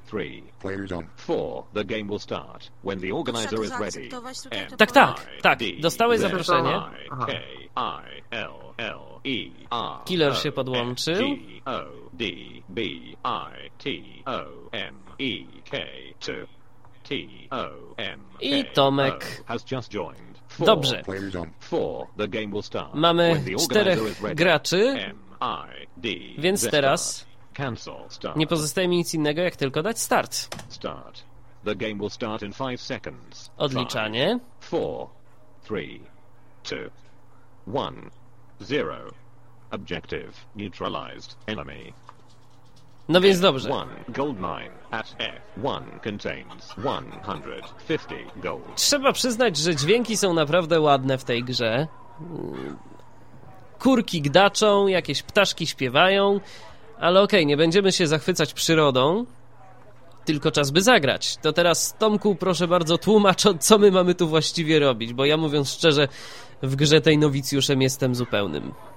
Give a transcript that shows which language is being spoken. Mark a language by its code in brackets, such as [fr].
[en] 3 4 the game will start when the organizer is ready. [pl] Tak, tak, tak, dostałeś zaproszenie. K I L L E R. Killer się podłączył. O D B I T O M E K 2 T O M. I Tomek [en] has just joined. [pl] Dobrze. [en] 4 the game will start. [pl] Mamy czterech graczy. Więc teraz [en] cancel, start. [pl] Nie pozostaje mi nic innego, jak tylko dać start. Start. [en] The game will start in 5 seconds. [pl] Odliczanie. 4, 3, 2, 1, 0. [en] Objective neutralized. Enemy. [pl] No więc dobrze. [en] One gold mine at F1 contains 150 gold. [pl] Trzeba przyznać, że dźwięki są naprawdę ładne w tej grze. Kurki gdaczą, jakieś ptaszki śpiewają. Ale okej, nie będziemy się zachwycać przyrodą, tylko czas by zagrać. To teraz, Tomku, proszę bardzo, tłumacz, co my mamy tu właściwie robić, bo ja, mówiąc szczerze, w grze tej nowicjuszem jestem zupełnym.